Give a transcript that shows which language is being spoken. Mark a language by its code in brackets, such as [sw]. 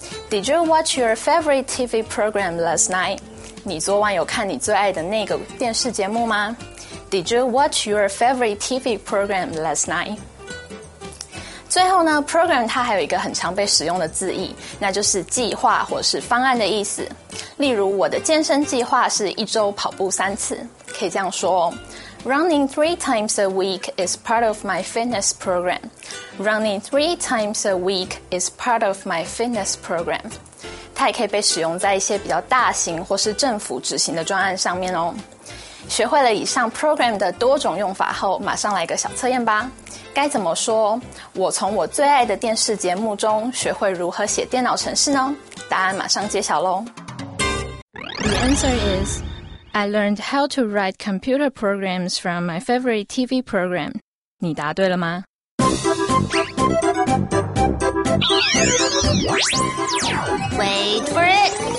[en] Did you watch your favorite TV program last night？ [zh] 你昨晚有看你最爱的那个电视节目吗？ [en] Did you watch your favorite TV program last night? [zh] 最后呢， program 它还有一个很常被使用的字义，那就是计划或是方案的意思。例如我的健身计划是一周跑步三次，可以这样说哦， [en] Running three times a week is part of my fitness program. Running three times a week is part of my fitness program. [zh] 它也可以被使用在一些比较大型或是政府执行的专案上面哦。学会了以上 program 的多种用法后，马上来个小测验吧。该怎么说？我从我最爱的电视节目中学会如何写电脑程式呢？答案马上揭晓咯。 [en] The answer is, I learned how to write computer programs from my favorite TV program. [zh] 你答对了吗？ [en] Wait for it!